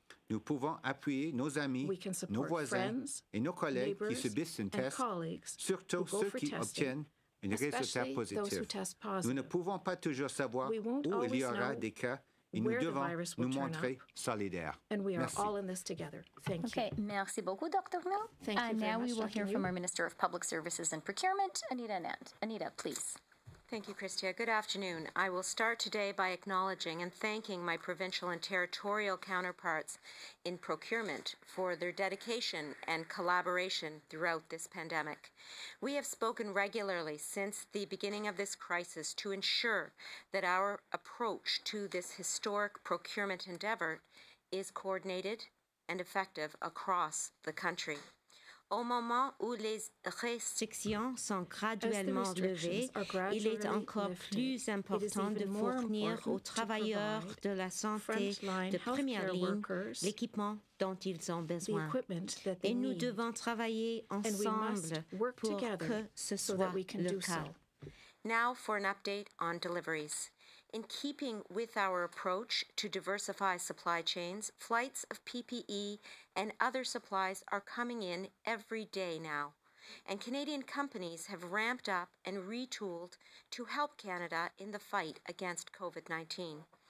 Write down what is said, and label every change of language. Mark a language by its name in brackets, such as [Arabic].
[French] Nous pouvons appuyer nos amis, nos voisins et nos collègues qui subissent un test, surtout ceux qui obtiennent un résultat positif. Nous ne pouvons pas toujours savoir où il y aura des cas et nous devons nous montrer solidaires. [English] And we are all in this together. Thank you. [French] Okay, merci beaucoup, Dr. Mill. [English] Thank you. And now we will hear from you. Our Minister of Public Services and Procurement, Anita Anand. Anita, please. Thank you, Christia. Good afternoon. I will start today by acknowledging and thanking my provincial and territorial counterparts in procurement for their dedication and collaboration throughout this pandemic. We have spoken regularly since the beginning of this crisis to ensure that our approach to this historic procurement endeavor is coordinated and effective across the country. [French] Au moment où les restrictions sont graduellement levées, il est encore plus important de fournir aux travailleurs de la santé de première ligne l'équipement dont ils ont besoin. Et nous devons travailler ensemble pour que ce soit le cas. [English] Now for an update on deliveries. In keeping with our approach to diversify supply chains, flights of PPE and other supplies are coming in every day now. And Canadian companies have ramped up and retooled to help Canada in the fight against COVID-19.